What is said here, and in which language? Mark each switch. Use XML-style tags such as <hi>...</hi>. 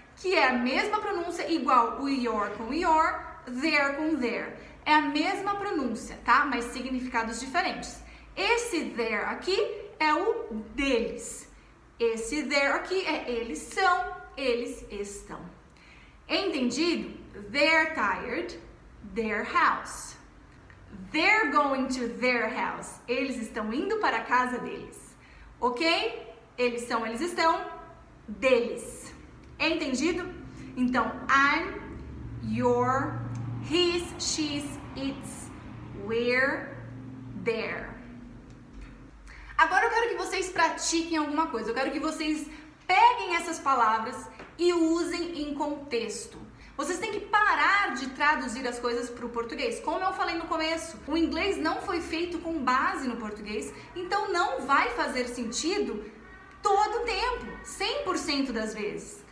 <pt>Que é a mesma pronúncia, igual o your com your, there com there. É a mesma pronúncia, tá? Mas significados diferentes. Esse there aqui é o deles. Esse there aqui é eles são, eles estão. Entendido?</pt> <en>They're tired, their house. They're going to their house.</en> <pt>Eles estão indo para a casa deles. Ok? Eles estão, deles. Entendido? Então,</pt> <en>I'm, your, his, she's, it's, we're, there.</en> <pt>Agora eu quero que vocês pratiquem alguma coisa. Eu quero que vocês peguem essas palavras e usem em contexto. Vocês têm que parar de traduzir as coisas para o português. Como eu falei no começo, o inglês não foi feito com base no português, então não vai fazer sentido todo o tempo, 100% das vezes.</pt>